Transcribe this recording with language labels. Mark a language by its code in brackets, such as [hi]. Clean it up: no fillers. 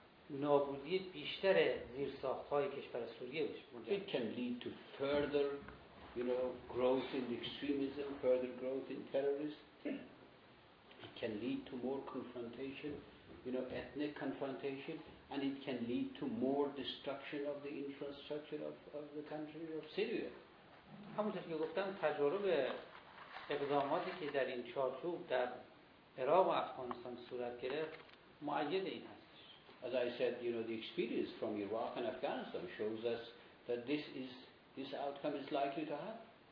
[fa] نابودی بیشتر زیرساخت‌های کشور سوریه بشه. [en] It can lead to further, you know, growth in extremism, further growth in terrorism. It can lead to more confrontation, you know, ethnic confrontation, and it can lead to more destruction of the infrastructure of the country of Syria. [fa] همونطور که گفتم تجارب اقداماتی که در این چارچوب در عراق و افغانستان صورت گرفت معید این هستش. [en] As I said, you know, the experience from Iraq and Afghanistan shows us that this outcome is likely to happen.